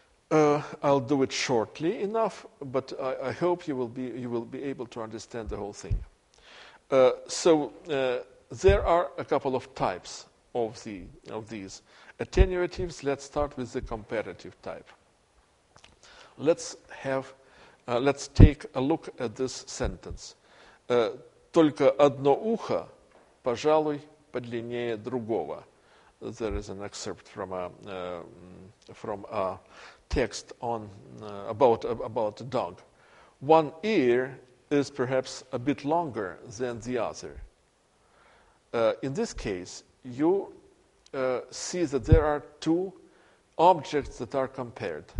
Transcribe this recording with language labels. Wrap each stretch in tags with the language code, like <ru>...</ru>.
<en>I'll do it shortly enough, but I hope you will be able to understand the whole thing. There are a couple of types of these attenuatives. Let's start with the comparative type. Let's have Let's take a look at this sentence.</en> <ru>Только одно ухо, пожалуй, подлиннее другого.</ru> <en>There is an excerpt from a text on about a dog. One ear is perhaps a bit longer than the other. In this case, you see that there are two objects that are compared.</en>